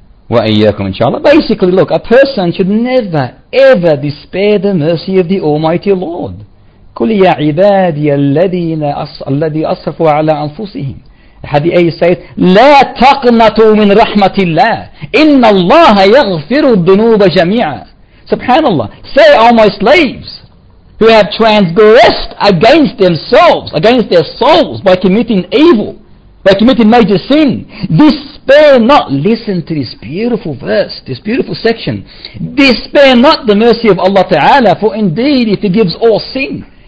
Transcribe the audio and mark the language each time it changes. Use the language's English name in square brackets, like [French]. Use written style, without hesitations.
[English] وَإِيَّاكُمْ inshallah. Basically, look, a person should never, ever despair the mercy of the Almighty Lord. [Arabic] قُلْ يَا عِبَادِيَ الَّذِي أَصْرَفُوا عَلَىٰ أَنفُسِهِمْ. [English] Hadith A says, [Arabic] لَا تَقْنَطُوا مِنْ رَحْمَةِ اللَّهِ إِنَّ اللَّهَ يَغْفِرُ الدُّنُوبَ جَمِيعًا. [English] SubhanAllah, say, O my slaves, who have transgressed against themselves, against their souls, by committing evil, by committing major sin, despair not. Listen to this beautiful verse, this beautiful section. Despair not the mercy of Allah Ta'ala, for indeed He forgives all sin.